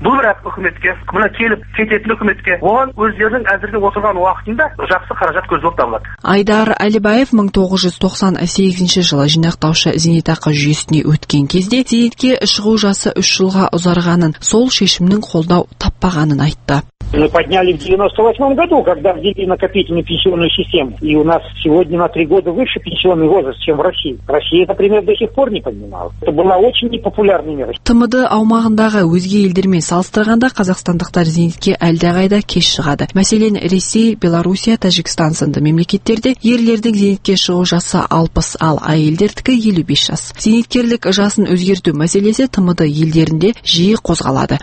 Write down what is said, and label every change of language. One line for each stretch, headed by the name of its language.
Kazakh: Бұл бірақ үкіметке, мына келіп кететін үкіметке, оған өздерінің әзірге отырған уақытында жақсы қаражат көзделіп табылады. Айдар Әлібаев 1998 жылы жинақтаушы зейнетақы жүйесіне өткен кезде зейнетке шығу жасы 3 жылға ұзарғанын, сол шешімнің қолдау таппағанын айтты.
Russian: Мы подняли в 98 году, когда ввели накопительную пенсионную систему. И у нас сегодня на 3 года выше пенсионный возраст, чем в России. Россия, например, до сих пор не поднимала. Это была очень непопулярная мера.
Kazakh: ТМД аумағындағы өзге елдермен салыстырғанда қазақстандықтар зейнетке әлдеқайда кеш шығады. Мәселен, Ресей, Белоруссия, Тәжікстан сынды мемлекеттерде ерлердің зейнетке шығу жасы 60, ал әйелдердікі 55 жас. Зейнеткерлік жасын өзгерту мәселесі ТМД елдерінде жиі қозғалады.